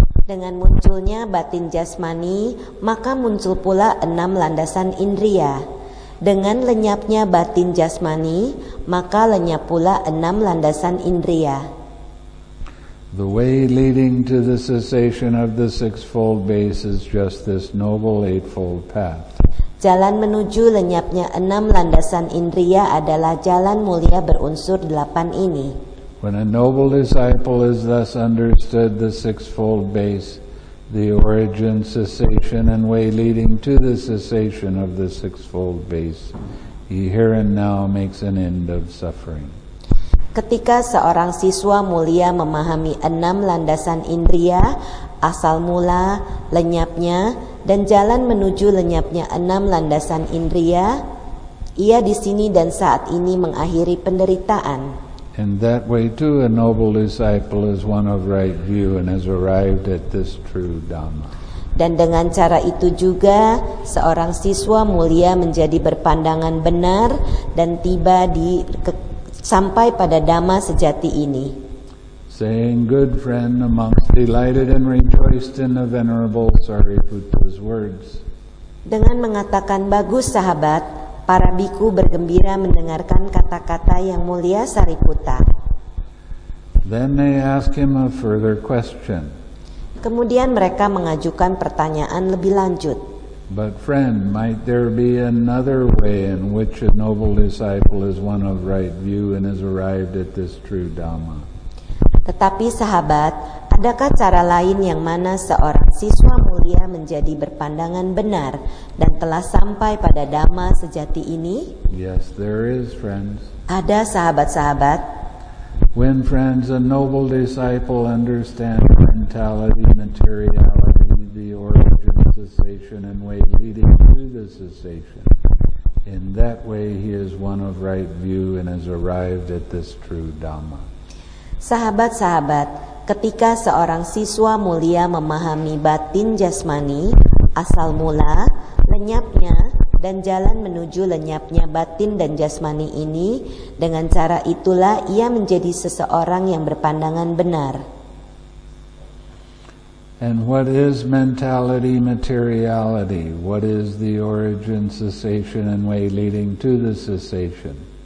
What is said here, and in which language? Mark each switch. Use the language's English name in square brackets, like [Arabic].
[Indonesian] Dengan munculnya batin jasmani, maka muncul pula enam landasan indria. Dengan lenyapnya batin jasmani, maka lenyap pula enam landasan indria. [English] The way leading to the cessation of the sixfold base is just this noble eightfold path. [Indonesian] Jalan menuju lenyapnya enam landasan indria adalah jalan mulia berunsur delapan ini. [English] When a noble disciple has thus understood the sixfold base, the origin, cessation, and way leading to the cessation of the sixfold base, he here and now makes an end of suffering. [Indonesian] Ketika seorang siswa mulia memahami enam landasan indria, asal mula, lenyapnya, dan jalan menuju lenyapnya enam landasan indria, ia di sini dan saat ini mengakhiri penderitaan. [English] In that way too, a noble disciple is one of right view and has arrived at this true Dhamma. [Indonesian] Dan dengan cara itu juga, seorang siswa mulia menjadi berpandangan benar dan tiba di sampai pada dhamma sejati ini. [English] Saying good friend, a monk delighted and rejoiced in the venerable Sariputta's words. [Indonesian] Dengan mengatakan bagus sahabat, para bhikkhu bergembira mendengarkan kata-kata yang mulia Sariputta. [English] Then they ask him a further question. [Indonesian] Kemudian mereka mengajukan pertanyaan lebih lanjut. [English] But friend, might there be another way in which a noble disciple is one of right view and has arrived at this true dhamma? [Indonesian] Tetapi sahabat, adakah cara lain yang mana seorang siswa mulia menjadi berpandangan benar dan telah sampai pada dhamma sejati ini? [English] Yes, there is, friends. [Indonesian] Ada sahabat-sahabat. [English] When friends, a noble disciple understands mentality, materiality, the origin, cessation, and way leading to the cessation. In that way, he is one of right view and has arrived at this true dhamma. [Indonesian] Sahabat-sahabat, ketika seorang siswa mulia memahami batin jasmani, asal mula, lenyapnya, dan jalan menuju lenyapnya batin dan jasmani ini, dengan cara itulah ia menjadi seseorang yang berpandangan benar. [English] And what is mentality, materiality? What is the origin, cessation, and way leading to the cessation?